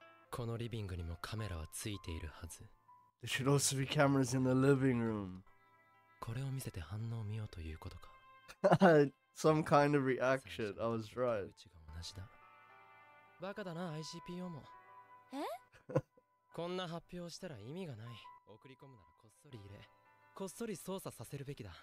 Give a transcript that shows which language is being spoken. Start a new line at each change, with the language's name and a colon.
Japanese: このリビングにもカメラはついているはず。
English: There should also be cameras in the living room.
Japanese: これを見せて反応を見ようということか。
English: Some kind of reaction. I was right.
Japanese: うちが同じだ。バカだな ICPO も。え？こんな発表をしたら意味がない。送り込むならこっそり入れ、こっそり操作させるべきだ。